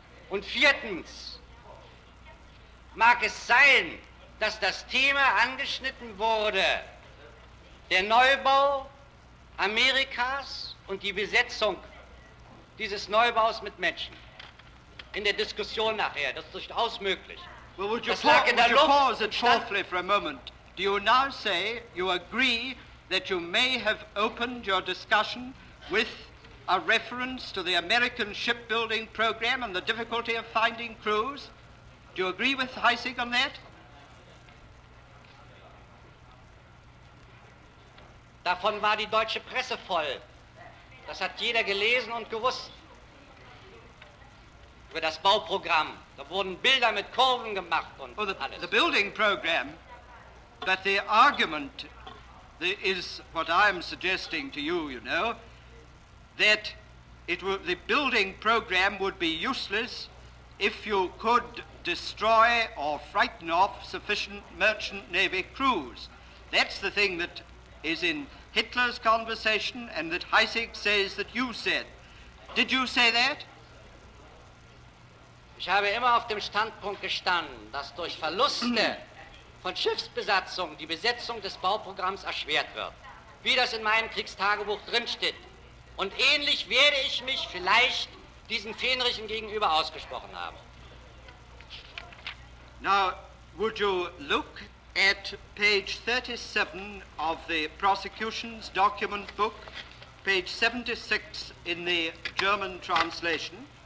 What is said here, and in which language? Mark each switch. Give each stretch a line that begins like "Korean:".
German: Und viertens mag es sein, dass das Thema angeschnitten wurde, der Neubau Amerikas und die Besetzung dieses Neubaus mit Menschen. In der Diskussion nachher, das ist durchaus möglich.
English: Well, would you, would you pause it fourthly for a moment? Do you now say you agree that you may have opened your discussion with a reference to the American shipbuilding program and the difficulty of finding crews? Do you agree with Heisig on that?
German: Davon war die deutsche Presse voll. Das hat jeder gelesen und gewusst. Über das Bauprogramm. Da wurden Bilder mit Kurven gemacht und alles.
English: The building program, but the argument is what I'm suggesting to you, you know, that the building program would be useless if you could destroy or frighten off sufficient merchant navy crews. That's the thing that is in Hitler's conversation and that Heisig says that you said. Did you say that?
German: Ich habe immer auf dem Standpunkt gestanden, dass durch Verluste von Schiffsbesatzung die Besetzung des Bauprogramms erschwert wird, wie das in meinem Kriegstagebuch drinsteht. Und ähnlich werde ich mich vielleicht diesen Fähnrichen gegenüber ausgesprochen haben.
English: Now, would you look at page 37 of the prosecution's document book, page 76 in the German translation?